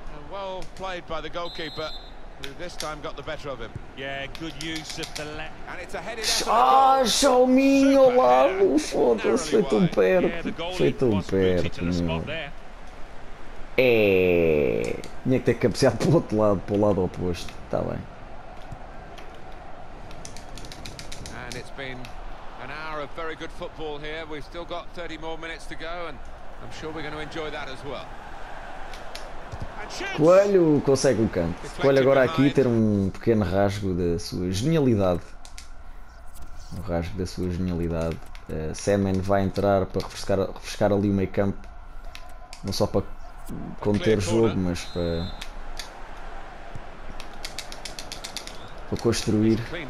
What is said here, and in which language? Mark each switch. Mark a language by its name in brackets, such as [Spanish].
[English] Well played by the goalkeeper, who this time got the better of him. Yeah, good use of the left. And it's a headed effort. [Portuguese] Ah, Jauminho, lá, foda-se, foi tão perto. Foi tão perto. É, tinha que ter cabeceado para o outro lado, para o lado oposto. Está bem. [English] And it's been an hour of very good football here. We've still got 30 more minutes to go and I'm sure we're going to enjoy that as well. [Portuguese] Coelho consegue o canto. Coelho agora aqui ter um pequeno rasgo da sua genialidade. Um rasgo da sua genialidade. Semen vai entrar para refrescar ali o meio campo. Não só para conter o jogo, mas para construir.